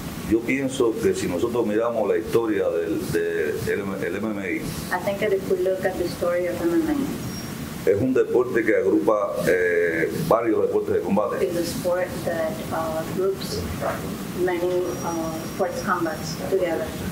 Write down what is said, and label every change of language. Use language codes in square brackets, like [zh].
[es] Yo pienso que si nosotros miramos la historia del MMA, [en] I think that if we look at the story of MMA, [es] es un deporte que agrupa varios deportes de combate. [en] It's a sport that groups many sports combats together.